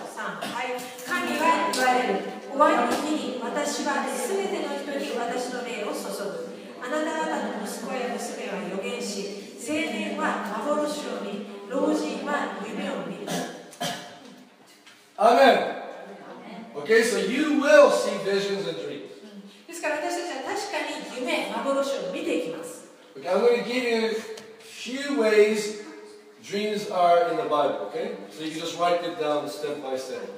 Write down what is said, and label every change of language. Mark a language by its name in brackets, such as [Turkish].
[Japanese] 3、はい、神は言われる。終わりの日に私は全ての人に私の霊を注ぐ。あなた方の息子や娘は預言し、青年は幻を見、老人は夢を見る。アメン。 [English] Okay, so you will see visions and dreams. [Japanese] ですから私たちは確かに夢、幻を見ていきます。 [English] Okay, I'm going to give you few ways dreams are in the Bible, okay? So you can just write it down step by step.